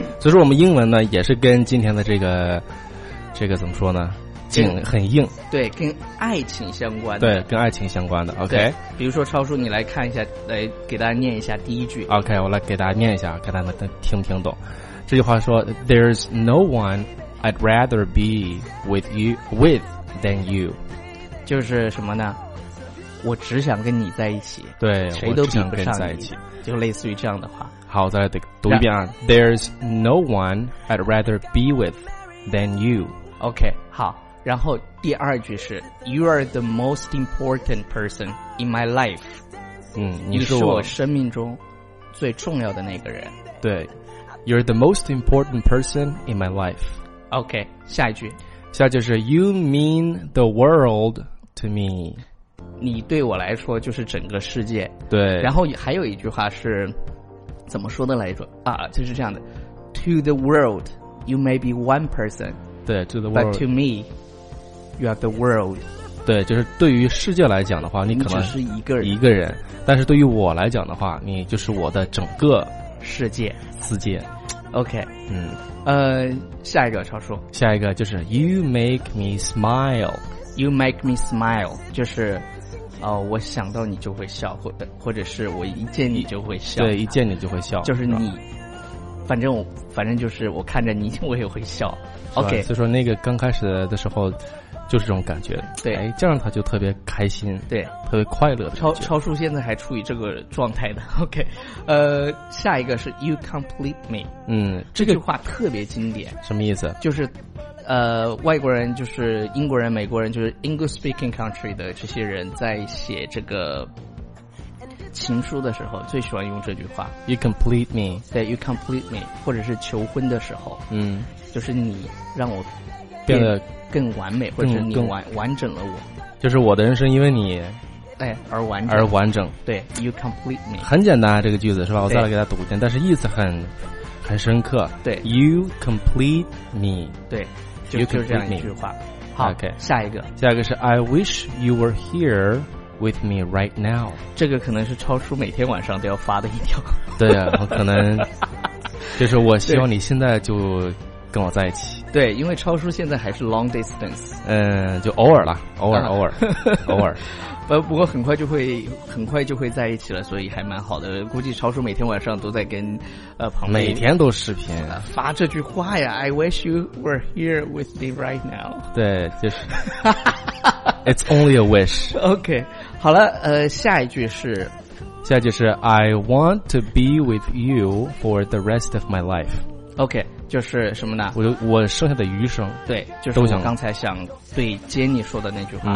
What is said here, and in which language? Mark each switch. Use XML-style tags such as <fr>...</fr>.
<zh>所以说我们英文呢也是跟今天的这个怎么说呢，紧很硬。对，跟爱情相关的。对，跟爱情相关的。OK，比如说超叔你来看一下，来给大家念一下第一句。 OK， 我来给大家念一下，看大家能听不听懂这句话。</zh> <en>说 There's no one I'd rather be with you with than you，</en> <zh>就是什么呢，我只想跟你在一起。对，谁都想跟在一起，就类似于这样的话。好，再来读一遍啊。</zh> <en>There's no one I'd rather be with than you。</en> <zh>OK， 好。然后第二句是</zh> <en>You are the most important person in my life。嗯，</en> <zh>你是我生命中最重要的那个人。</zh> <en>对， You're the most important person in my life。</en> <zh>OK， 下一句。下一句是</zh> <en>You mean the world to me。</en> <zh>你对我来说就是整个世界。对。然后还有一句话是怎么说的来着啊，就是这样的，</zh> <en>To the world you may be one person。对， to the world, but to me, you are the world。</en> <zh>对，就是对于世界来讲的话，你可能是一个人，但是对于我来讲的话，你就是我的整个世界。OK，嗯，下一个超叔，下一个就是</zh> <en>You make me smile。 You make me smile</en> <zh>就是我想到你就会笑，或者是我一见你就会笑。对，一见你就会笑，就是你，反正就是我看着你我也会笑。 OK，所以说那个刚开始的时候就是这种感觉。对，哎，这样他就特别开心。对，特别快乐的。超叔现在还处于这个状态的。</zh> <en>OK，</en> <zh>下一个是</zh> <en>You complete me。嗯，</en> <zh>这句话特别经典。什么意思？就是外国人，就是英国人美国人，就是</zh> <en>English speaking country</en> <zh>的这些人在写这个情书的时候最喜欢用这句话。</zh> <en>You complete me。</en> <zh>对，</zh> <en>You complete me，</en> <zh>或者是求婚的时候，嗯，就是你让我变得更完美，或者是你完整了我，就是我的人生因为你而完整。</zh> <en>对， You complete me，</en> <zh>很简单，这个句子是吧，我再来给他读一遍，但是意思很深刻。对，</zh> <en>You complete me。</en> <zh>对，就是这样一句话。好，</zh> <en>okay，</en> <zh>下一个</zh> <en>是 I wish you were here with me right now。</en> <zh>这个可能是超叔每天晚上都要发的一条。对啊，我可能就是我希望你现在就跟我在一起。对，因为超叔现在还是</zh> <en>long distance。</en> <zh>嗯，就偶尔了，偶尔不过很快就会在一起了，所以还蛮好的。估计超叔每天晚上都在跟旁边每天都视频发这句话呀。</zh> <en>I wish you were here with me right now。</en> <zh>对，就是</zh> <en>It's only a wish。</en> <zh>OK， 好了，下一句是，下一句是</zh> <en>I want to be with you for the rest of my life。</en> <zh>OK， 就是什么呢，我剩下的余生。对，就是我刚才想对Jenny说的那句话，</zh>